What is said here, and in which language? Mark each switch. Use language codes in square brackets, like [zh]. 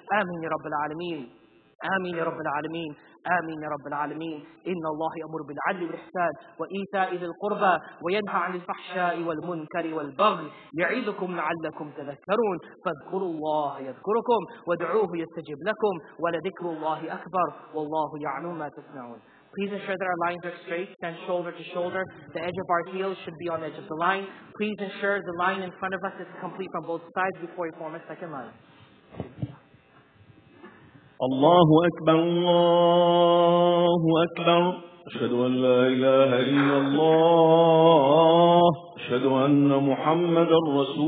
[ar] آمين يا رب العالمين، آمين يا رب العالمين، آمين يا رب العالمين. إن الله يأمر بالعدل والإحسان وإيتاء ذي القربى وينهى عن الفحشاء والمنكر والبغي يعظكم لعلكم تذكرون. فاذكروا الله يذكركم وادعوه يستجب لكم ولذكر الله أكبر والله يعلم ما تصنعون. [en] Please ensure that our lines are straight, stand shoulder to shoulder. The edge of our heels should be on the edge of the line. Please ensure the line in front of us is complete from both sides before we form a second line. [ar] الله أكبر الله أكبر أشهد أن لا إله إلا الله أشهد أن محمدا رسول